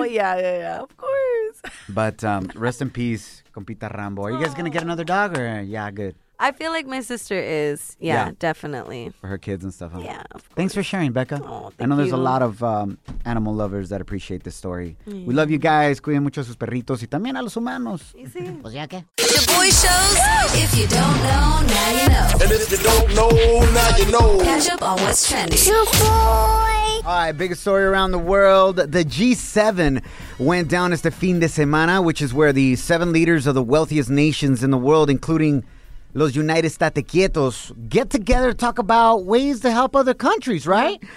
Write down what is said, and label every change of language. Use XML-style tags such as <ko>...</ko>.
<en>Oh, yeah, of course. But rest in peace, compita Rambo. Are you guys going to get another dog or good? I feel like my sister is. Yeah, definitely. For her kids and stuff, huh? Yeah. Thanks for sharing, Becca. Oh, thank you. I know there's you. A lot of animal lovers that appreciate this story. Yeah. We love you guys.</en> <es>Cuiden mucho a sus perritos y también a los humanos. Sí, sí. Pues ya que.</es> <en>The boy shows. If you don't know, now you know. And if you don't know, now you know. Catch up on what's trending. Your boy. All right, biggest story around the world. The G7 went down as the</en> <es>fin de semana,</es> <en>which is where the seven leaders of the wealthiest nations in the world, including Los United States Quietos, get together to talk about ways to help other countries, right?</en>